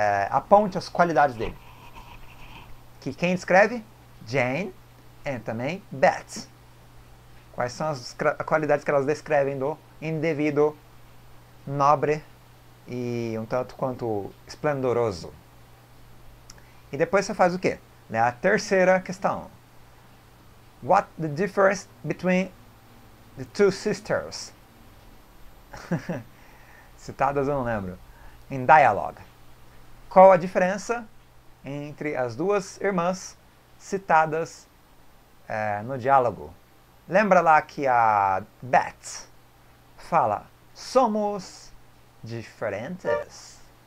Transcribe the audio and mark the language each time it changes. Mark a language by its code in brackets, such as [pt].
[pt] Aponte as qualidades dele. Que quem descreve? Jane. E também Beth. Quais são as qualidades que elas descrevem do indivíduo nobre e um tanto quanto esplendoroso? E depois você faz o quê? É a terceira questão. [en] What the difference between the two sisters? [pt] Citadas eu não lembro. [en] In dialogue. [pt] Qual a diferença entre as duas irmãs citadas no diálogo? Lembra lá que a Beth fala: somos diferentes.